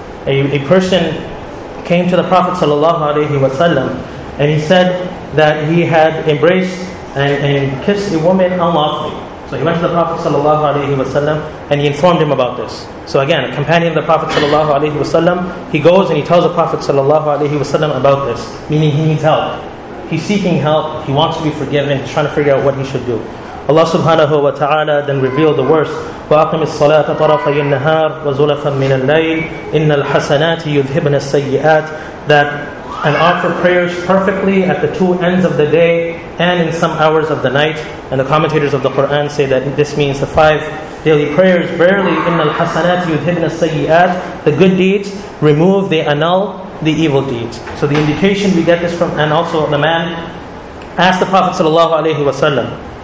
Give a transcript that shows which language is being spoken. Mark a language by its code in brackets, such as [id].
[en] A person came to the Prophet sallallahu alayhi wa sallam and he said that he had embraced and kissed a woman unlawfully. So he went to the Prophet sallallahu alayhi wa sallam and he informed him about this. So again, a companion of the Prophet sallallahu alayhi wa sallam, he goes and he tells the Prophet sallallahu alayhi wa sallam about this, meaning he needs help. He's seeking help, he wants to be forgiven, he's trying to figure out what he should do. Allah subhanahu wa ta'ala then revealed the verse, [ar] وَأَقِمِ الصَّلَاةَ طَرَفَيِ النَّهَارِ وَزُلَفًا مِنَ اللَّيْلِ إِنَّ الْحَسَنَاتِ يُذْهِبْنَ السَّيِّئَاتِ, [en] that and offer prayers perfectly at the two ends of the day and in some hours of the night. And the commentators of the Quran say that this means the five daily prayers. Verily, [ar] innal hasanat yudhibna sayyi'at, [en] the good deeds remove, they annul the evil deeds. So the indication we get this from, and also the man asked the Prophet sallallahu alayhi wasallam.